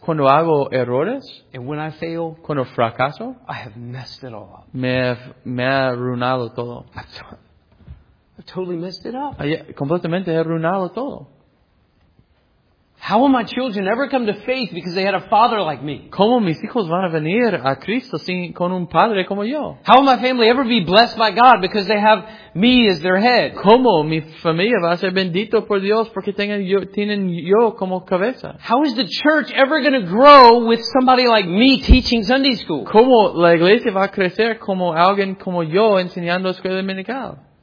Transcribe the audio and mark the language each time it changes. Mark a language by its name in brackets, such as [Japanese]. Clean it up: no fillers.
[Spanish] cuando hago errores, [English] and when I fail, [Spanish] cuando fracaso, [English] I have messed it all up. [Spanish] Me ha arruinado todo. [English] I've totally messed it up. [Spanish] Completamente he arruinado todo. [English] How will my children ever come to faith because they had a father like me? [Spanish] ¿Cómo mis hijos van a venir a Cristo sin, con un padre como yo? [English] How will my family ever be blessed by God because they have me as their head? [Spanish] ¿Cómo mi familia va a ser bendito por Dios porque tienen yo como cabeza? [English] How is the church ever going to grow with somebody like me teaching Sunday school? [Spanish] ¿Cómo la iglesia va a crecer como alguien como yo enseñando escuela dominical?